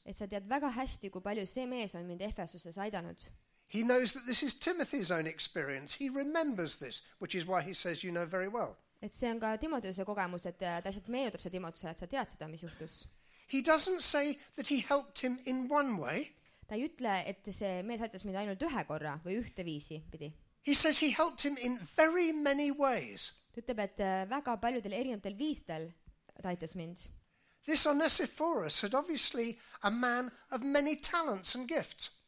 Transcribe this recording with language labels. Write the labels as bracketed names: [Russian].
[Estonian] Et sa tead väga hästi, kui palju see mees on mind Ephesuses aidanud. [English] He knows that this is Timothy's own experience. He remembers this, which is why he says you know very well. [Estonian] Et see on ka Timotheuse kogemus, et ta asjalt meenutab see Timotheusel, et sa tead seda, mis juhtus. [English] He doesn't say that he helped him in one way. [Estonian] Ta ei ütle, et see mees aitas mind ainult ühe korra või ühte viisi pidi. [English] He says he helped him in very many ways. [Estonian] Ta ütleb, et väga paljudel erinevatel viistel ta aitas mind. [English] This Onesiphorus had obviously a man of many talents and gifts.